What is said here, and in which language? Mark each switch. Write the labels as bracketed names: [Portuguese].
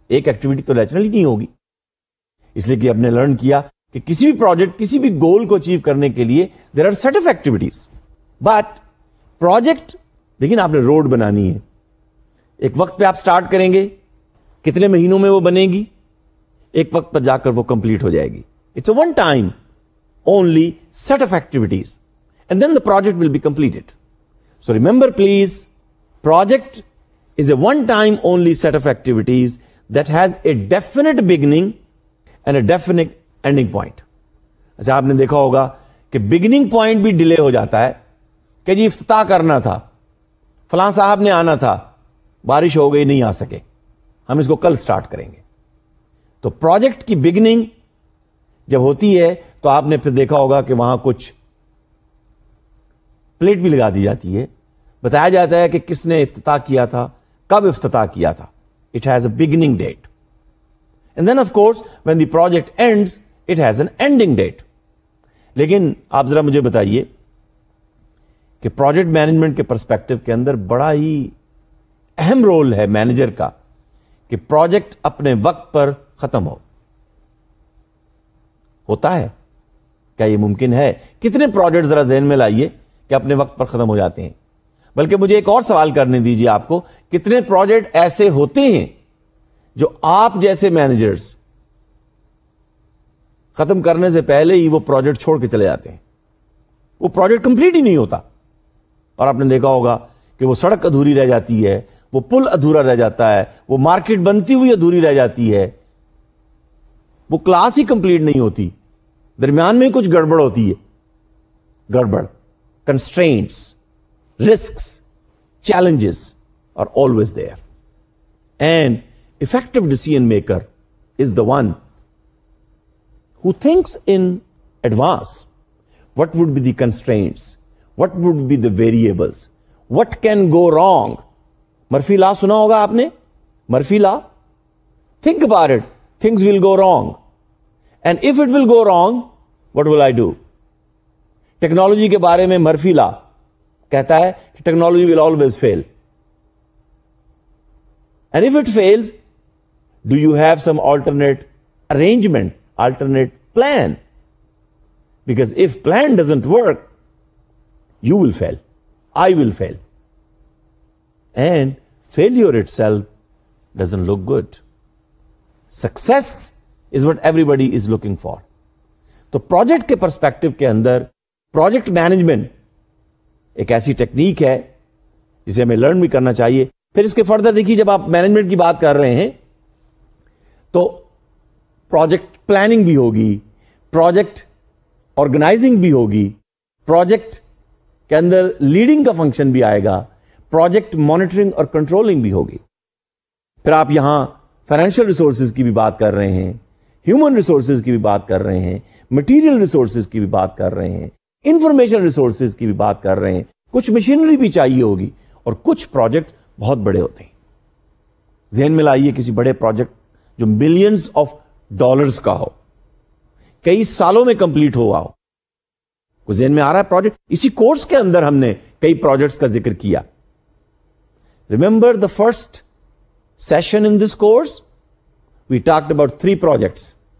[Urdu] ایک ایکٹیویٹی تو نیچرلی نہیں ہوگی, اس لیے کہ ہم نے لرن کیا کہ کسی بھی پروجیکٹ, کسی بھی گول کو اچیو کرنے کے لیے [English] There are set of activities. [Urdu] But project, دیکھیں, آپ نے روڈ بنانی ہے, ایک وقت پہ آپ سٹارٹ کریں گے, کتنے مہینوں میں وہ بنے گی, ایک وقت پر جا کر وہ کمپلیٹ ہو جائے گی. [English] It's a one time only set of activities and then the project will be completed. So remember please, project is a one time only set of activities that has a definite beginning and a definite ending point. [Urdu] اچھا, آپ نے دیکھا ہوگا کہ beginning point بھی delay ہو جاتا ہے, کہ جی افتتاح کرنا تھا, فلاں صاحب نے آنا تھا, بارش ہو گئی نہیں آ سکے, ہم اس کو کل start کریں گے. تو project کی beginning جب ہوتی ہے تو آپ نے پھر دیکھا ہوگا کہ وہاں کچھ plate بھی لگا دی جاتی ہے, بتایا جاتا ہے کہ کس نے افتتاح کیا تھا, کب افتتاح کیا تھا. [English] It has a beginning date. And then of course, when the project ends, it has an ending date. [Urdu] Lekin, aap zara mujhe bataiye, ke project management ke perspective ke andar bada hi ahem role hai manager ka, ke project apne waqt par khatam ho. Hota hai? Kya ye mumkin hai? Kitne project zara zehen mein laiye, ke apne waqt par khatam ho jate hain? بلکہ مجھے ایک اور سوال کرنے دیجئے آپ کو, کتنے پروجیکٹ ایسے ہوتے ہیں جو آپ جیسے مینیجرز ختم کرنے سے پہلے ہی وہ پروجیکٹ چھوڑ کے چلے جاتے ہیں, وہ پروجیکٹ کمپلیٹ ہی نہیں ہوتا. اور آپ نے دیکھا ہوگا کہ وہ سڑک ادھوری رہ جاتی ہے, وہ پل ادھورا رہ جاتا ہے, وہ مارکیٹ بنتی ہوئی ادھوری رہ جاتی ہے, وہ کلاس ہی کمپلیٹ نہیں ہوتی, درمیان میں کچھ گڑبڑ ہوتی ہے. [English] گڑبڑ, constraints, risks, challenges are always there. And effective decision maker is the one who thinks in advance. What would be the constraints? What would be the variables? What can go wrong? Murphy law [Urdu] suna hoga aapne? [English] Murphy law? Think about it. Things will go wrong. And if it will go wrong, what will I do? [Urdu] Technology ke baare mein Murphy law کہتا ہے [English] Technology will always fail, and if it fails Do you have some alternate arrangement, alternate plan? Because if plan doesn't work, you will fail. I will fail. And failure itself doesn't look good. Success is what everybody is looking for. [Urdu] تو project کے perspective کے اندر project management ایک ایسی technique ہے جسے ہمیں learn بھی کرنا چاہیے. پھر اس کے فردر دیکھیے, جب آپ مینجمنٹ کی بات کر رہے ہیں تو پروجیکٹ پلاننگ بھی ہوگی, پروجیکٹ آرگنائزنگ بھی ہوگی, پروجیکٹ کے اندر لیڈنگ کا فنکشن بھی آئے گا, پروجیکٹ مانیٹرنگ اور کنٹرولنگ بھی ہوگی. پھر آپ یہاں فائنینشیل ریسورسز کی بھی بات کر رہے ہیں, ہیومن ریسورسز کی بھی بات کر رہے ہیں, مٹیریل ریسورسز کی بھی بات کر رہے ہیں, انفارمیشن ریسورسز کی بھی بات کر رہے ہیں, کچھ مشینری بھی چاہیے ہوگی, اور کچھ پروجیکٹ بہت بڑے ہوتے ہیں. ذہن میں لائیے کسی بڑے پروجیکٹ جو ملینز آف ڈالرز کا ہو, کئی سالوں میں کمپلیٹ ہوا ہو. کچھ ذہن میں آ رہا ہے پروجیکٹ؟ اسی کورس کے اندر ہم نے کئی پروجیکٹس کا ذکر کیا. [English] Remember the first session in this course we talked about 3 projects.